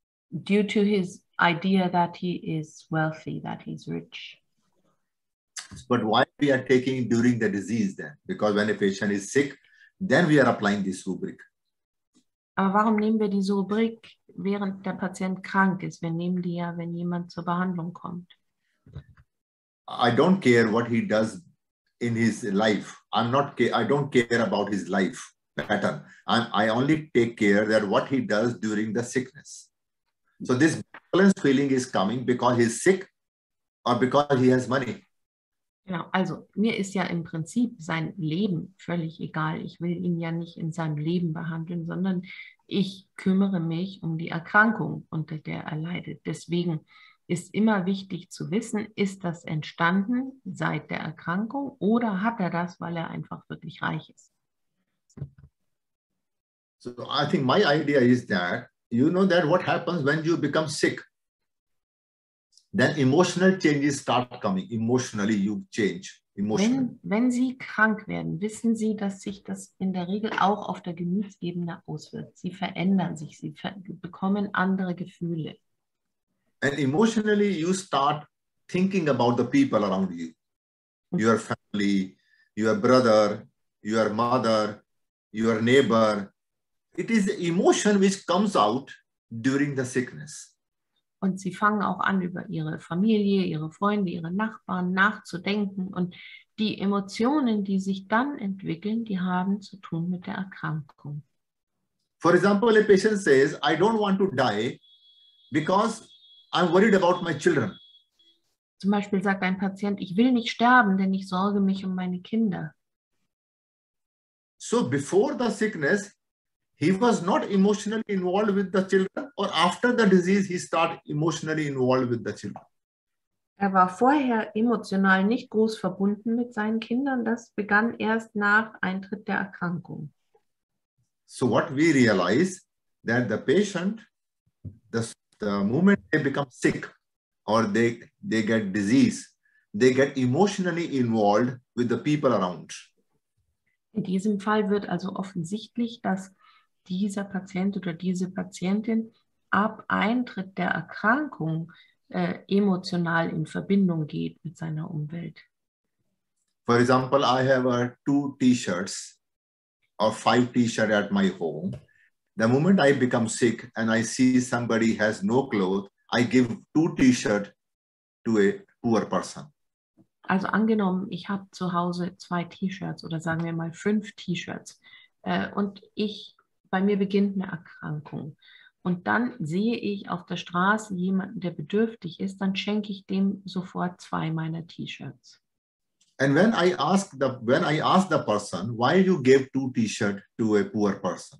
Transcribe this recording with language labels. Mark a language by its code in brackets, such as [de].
[en] Due to his idea that he is wealthy, that he's rich. But why we are taking during the disease then? Because when a patient is sick, then we are applying this rubric. [de] Aber warum nehmen wir diese Rubrik, während der Patient krank ist? Wir nehmen die ja, wenn jemand zur Behandlung kommt. [en] I don't care what he does in his life. I don't care about his life. Pattern. I only take care that what he does during the sickness. So this balance feeling is coming because he's sick or because he has money. [de] Genau, also mir ist ja im Prinzip sein Leben völlig egal. Ich will ihn ja nicht in seinem Leben behandeln, sondern ich kümmere mich um die Erkrankung, unter der er leidet. Deswegen ist immer wichtig zu wissen, ist das entstanden seit der Erkrankung oder hat er das, weil er einfach wirklich reich ist? [en] So I think my idea is that, you know, that what happens when you become sick, then emotional changes start coming. Emotionally, you change. Emotionally. [de] Wenn Sie krank werden, wissen Sie, dass sich das in der Regel auch auf der Gemütsebene auswirkt. Sie verändern sich, Sie bekommen andere Gefühle. [en] And emotionally, you start thinking about the people around you. Your family, your brother, your mother, your neighbor. It is the emotion which comes out during the sickness. [de] Und sie fangen auch an, über ihre Familie, ihre Freunde, ihre Nachbarn nachzudenken. Und die Emotionen, die sich dann entwickeln, die haben zu tun mit der Erkrankung. [en] For example, a patient says, I don't want to die because I'm worried about my children. [de] Zum Beispiel sagt ein Patient, ich will nicht sterben, denn ich sorge mich um meine Kinder. [en] So before the sickness, he was not emotionally involved with the children, or after the disease, he started emotionally involved with the children. [de] Er war vorher emotional nicht groß verbunden mit seinen Kindern. Das begann erst nach Eintritt der Erkrankung. [en] So what we realize that the patient, the moment they become sick or they get disease, they get emotionally involved with the people around. [de] In diesem Fall wird also offensichtlich, dass dieser Patient oder diese Patientin ab Eintritt der Erkrankung emotional in Verbindung geht mit seiner Umwelt. [en] For example, I have two T-shirts or five T-shirts at my home. The moment I become sick and I see somebody has no clothes, I give two T-shirts to a poor person. [de] Also angenommen, ich habe zu Hause zwei T-Shirts oder sagen wir mal fünf T-Shirts und bei mir beginnt eine Erkrankung. Und dann sehe ich auf der Straße jemanden, der bedürftig ist, dann schenke ich dem sofort zwei meiner T-Shirts. [en] And when I ask the person, why you gave two T-Shirts to a poor person?